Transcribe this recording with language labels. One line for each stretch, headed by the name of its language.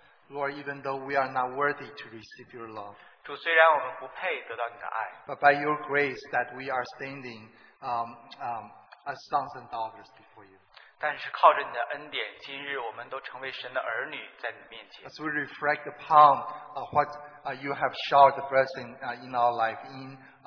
English: Lord, even though we are not worthy to receive your love,
Chinese: 主,虽然我们不配得到你的爱,
English: but by your grace that we are standing as sons and daughters before you.
Chinese: 但是靠着你的恩典, 今日我们都成为神的儿女,
English: as we reflect upon what you have showered the blessing in our life in